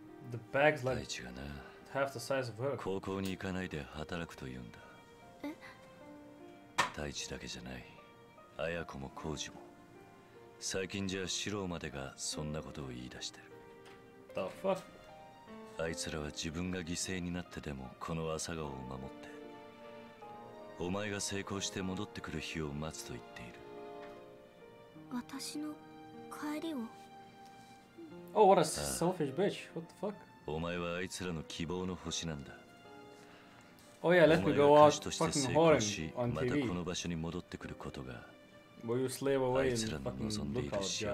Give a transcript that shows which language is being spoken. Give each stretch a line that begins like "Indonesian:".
English: The bag's like half the size of her.
Japanese: 高校に行かないで働くと言うんだ。え？大地だけじゃない。彩子も浩二も。最近じゃ四郎までがそんなことを言い出してる。
English: The fuck?
Japanese: あいつらは自分が犠牲になってでもこの朝顔を守ってお前が成功して戻ってくる日を待つと言っている。私の帰りを。
English: Oh, what a selfish bitch. What the fuck?
Japanese: お前はあいつらの希望の星なんだ。
English: Oh yeah, let me go out fucking whoring on TV.
Japanese: またこの場所に戻ってくることが。
English: Will you slave away and fucking look out, Joe?